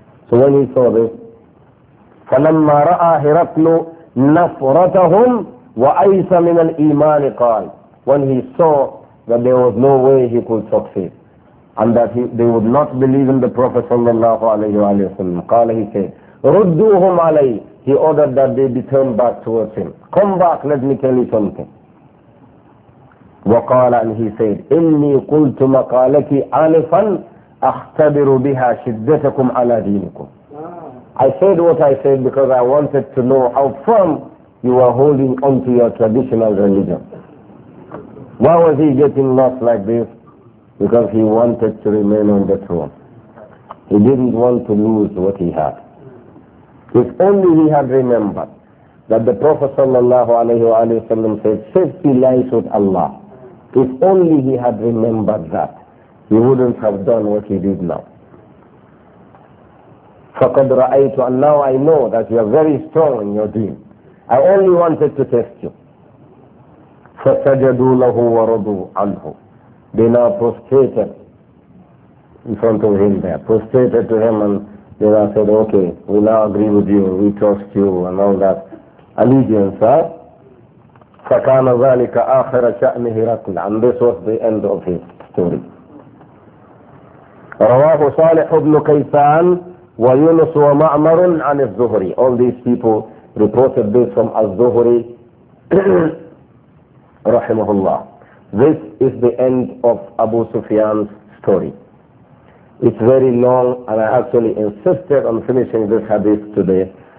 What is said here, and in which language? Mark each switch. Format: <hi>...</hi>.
<en>So when he saw this,</en> <ar>فَلَمَّا رَأَى هِرَقْلُ نَفْرَتَهُمْ وَأَيْسَ مِنَ الْإِيمَانِ قَالِ.</ar> <en>When he saw that there was no way he could succeed, and that they would not believe in the Prophet sallallahu alayhi wa sallam, قَالَ, he said,</en> <ar>رُدُّوهُمْ عَلَيْهِ.</ar> <en>He ordered that they be turned back towards him. Come back, let me tell you something.</en> <ar>وَقَالَ,</ar> <en>and he said,</en> <ar>إِنِّي قُلْتُ مَقَالَكِ آلِفًا أَخْتَبِرُ بِهَا شِدَّتَكُمْ عَلَى دِينِكُمْ.</ar> <en>I said what I said because I wanted to know how firm you are holding on to your traditional religion. Why was he getting lost like this? Because he wanted to remain on the throne. He didn't want to lose what he had. If only he had remembered that the Prophet sallallahu alayhi wa sallam said, safety lies with Allah. If only he had remembered that, he wouldn't have done what he did now.</en> <ar>فَقَدْ رَأَيْتُ.</ar> <en>And now I know that you are very strong in your deen. I only wanted to test you.</en> <ar>فَسَجَدُوا لَهُ وَرَضُوا عَنْهُ.</ar> <en>They now prostrated in front of him there, prostrated to him, and then I said, okay, we now agree with you, we trust you, and all that. Allegiance, huh?</en> <ar>فَكَانَ ذَلِكَ آخِرَ شَأْنِهِ رَقْلَ.</ar> <en>And this was the end of his story.</en> <ar>رواه صالح بن كيسان ويونس ومعمر عن الزهري.</ar> <en>All these people reported this from الزهري رحمه الله. This is the end of Abu Sufyan's story. It's very long, and I actually insisted on finishing this hadith today.</en>